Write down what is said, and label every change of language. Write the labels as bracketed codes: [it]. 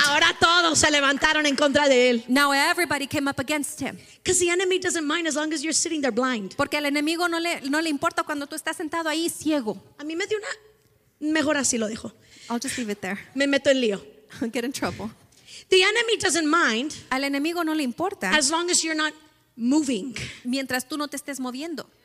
[es] Ahora todos se levantaron en contra de él. [en] Now everybody came up against him. Because the enemy doesn't mind as long as you're sitting there blind. [es] Porque al enemigo no le importa cuando tú estás sentado ahí ciego. A mí me dio una. Mejor así lo dijo. [en] I'll just leave it there. [es] Me meto en lío. [en] I'll get in trouble. The enemy doesn't mind. [es] Al enemigo no le importa. [en] As long as you're not moving. [es] Mientras tú no te estés moviendo.